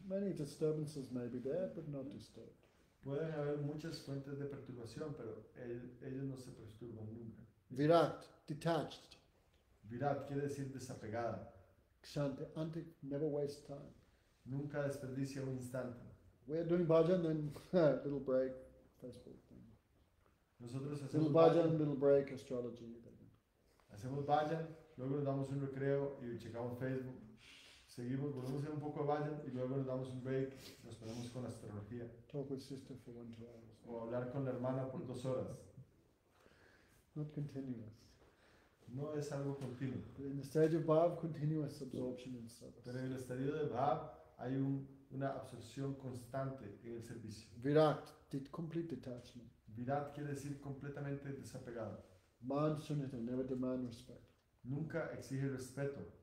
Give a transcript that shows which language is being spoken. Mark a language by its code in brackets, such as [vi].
[en] Many disturbances may be there, but not disturbed. [es] Pueden haber muchas fuentes de perturbación, pero ellos no se perturban nunca. [en] Virat, detached. [es] Virat quiere decir desapegada. [en] Kshanti, anti, never waste time. [es] Nunca desperdicia un instante. [en] We are doing bhajan, then a little break, Facebook thing. [es] Nosotros hacemos [en] little bhajan, little break, astrology. [es] Hacemos bhajan, luego nos damos un recreo y checamos Facebook. Seguimos, volvemos a un poco de Bhajan y luego nos damos un break, nos ponemos con astrología. [en] Talk with sister for 1-2 hours. [es] O hablar con la hermana por 2 horas. [en] Not continuous. [es] No es algo continuo. [en] But in the stage of Bhav, continuous absorption in service. [es] Pero en el estadio de Bhav hay una absorción constante en el servicio. [en] Virat, did complete detachment. [es] Virat quiere decir completamente desapegado. [en] Man sunita, never demand respect. [es] Nunca exige respeto.